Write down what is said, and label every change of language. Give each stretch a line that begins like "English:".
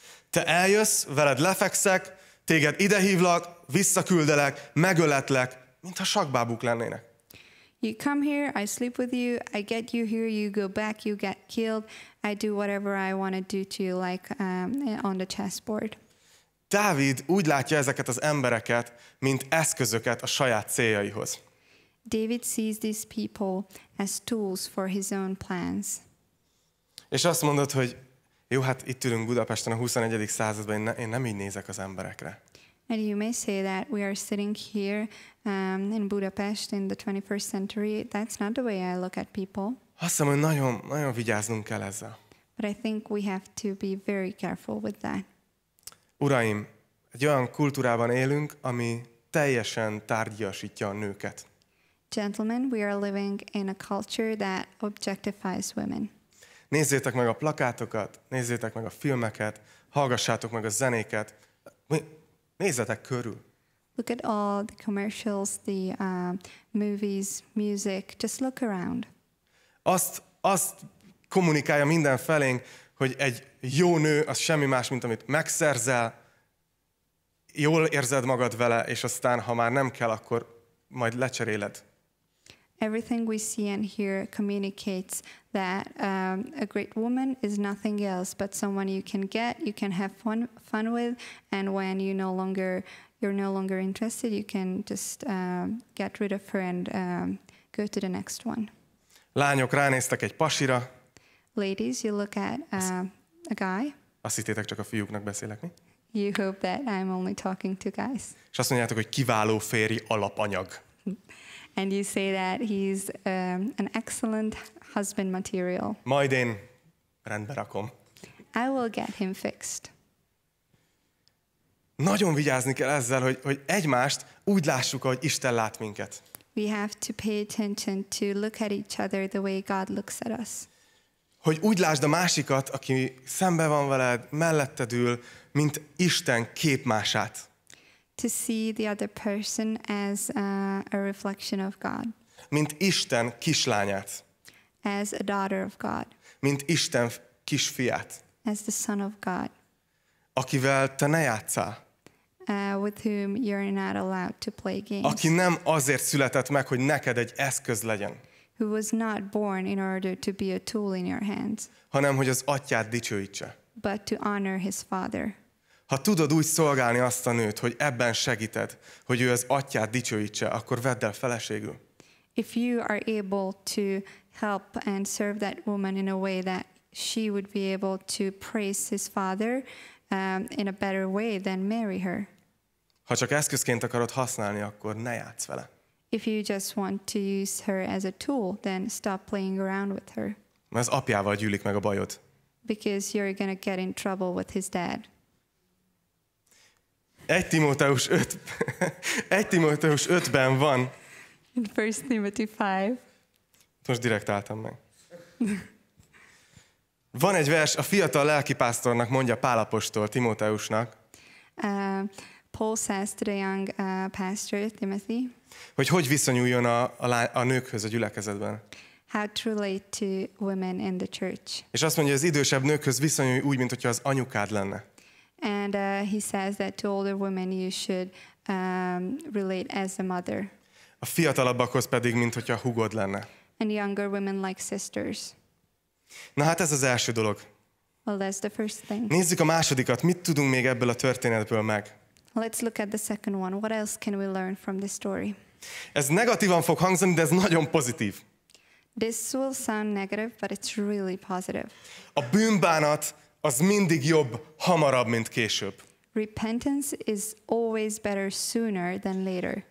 Hungarian: Te eljössz, veled lefekszek, téged idehívlak, visszaküldelek, megöletlek, mintha sakkbábuk lennének.
English: You come here, I sleep with you, I get you here, you go back, you get killed, I do whatever I want to do to you, like on the chessboard.
Hungarian: Dávid úgy látja ezeket az embereket, mint eszközöket a saját céljaihoz.
English: David sees these people as tools for his own plans.
Hungarian: És azt mondod, hogy jó, hát itt ülünk Budapesten a 21. században, én nem így nézek az emberekre.
English: And you may say that we are sitting here in Budapest in the 21st century. That's not the way I look at people.
Hungarian: Azt hiszem, hogy nagyon, nagyon vigyáznunk kell ezzel.
English: But I think we have to be very careful with that.
Hungarian: Uraim, egy olyan kultúrában élünk, ami teljesen tárgyasítja a nőket.
English: Gentlemen, we are living in a culture that objectifies women.
Hungarian: Nézzétek meg a plakátokat, nézzétek meg a filmeket, hallgassátok meg a zenéket. Nézzetek körül.
English: Look at all the commercials, the movies, music. Just look around.
Hungarian: Azt kommunikálja minden felénk, hogy egy jó nő az semmi más, mint amit megszerzel, jól érzed magad vele, és aztán, ha már nem kell, akkor majd lecseréled.
English: Everything we see and hear communicates that a great woman is nothing else but someone you can get, you can have fun with, and when you no longer you're no longer interested, you can just get rid of her and go to the next one.
Hungarian: Lányok, ránéztek egy pasira.
English: Ladies, you look at a guy.
Hungarian: Azt hittétek, csak a fiúknak beszélek, mi?
English: You hope that I'm only talking to guys.
Hungarian: És azt mondjátok, hogy kiváló férj alapanyag.
English: And you say that he's an excellent husband material.
Hungarian: Majd én rendbe rakom.
English: I will get him fixed.
Hungarian: Nagyon vigyázni kell ezzel, hogy egymást úgy lássuk, ahogy Isten lát minket.
English: We have to pay attention to look at each other the way God looks at us.
Hungarian: Hogy úgy lásd a másikat, aki szembe van veled, melletted ül, mint Isten képmását.
English: To see the other person as a reflection of God.
Hungarian: Mint Isten kislányát.
English: As a daughter of God.
Hungarian: Mint Isten kisfiát.
English: As the son of God.
Hungarian: Akivel te ne játszál.
English: With whom you're not allowed to play games.
Hungarian: Aki nem azért született meg, hogy neked egy eszköz legyen.
English: Who was not born in order to be a tool in your hands.
Hungarian: Hanem hogy az atyát dicsőítse.
English: But to honor his father.
Hungarian: Ha tudod úgy szolgálni azt a nőt, hogy ebben segíted, hogy ő az atyát dicsőítse, akkor vedd el feleségül.
English: If you are able to help and serve that woman in a way that she would be able to praise his father in a better way, then marry her.
Hungarian: Ha csak eszközként akarod használni, akkor ne játsz vele.
English: If you just want to use her as a tool, then stop playing around with her.
Hungarian: Mert az apjával gyűlik meg a bajod.
English: Because you're gonna get in trouble with his dad.
Hungarian: 1 Timóteus 5-ben van.
English: In 1 Timothy 5.
Hungarian: Most direkt álltam meg. Van egy vers, a fiatal lelkipásztornak mondja Pál apostol Timóteusnak.
English: Paul says to the young pastor Timothy.
Hungarian: Hogy viszonyuljon a nőkhöz a gyülekezetben.
English: How to relate to women in the church.
Hungarian: És azt mondja, hogy az idősebb nőkhöz viszonyulj úgy, mint hogyha az anyukád lenne.
English: And he says that to older women you should relate as a mother.
Hungarian: A fiatalabbakhoz pedig, mint hogyha húgod lenne.
English: And younger women like sisters.
Hungarian: Na hát ez az első dolog.
English: Well, that's the first thing.
Hungarian: Nézzük a másodikat. Mit tudunk még ebből a történetből meg?
English: Let's look at the second one. What else can we learn from this story?
Hungarian: Ez negatívan fog hangzani, de ez nagyon pozitív.
English: This will sound negative, but it's really positive.
Hungarian: A bűnbánat az mindig jobb, hamarabb, mint később.
English: Repentance is always better sooner than later.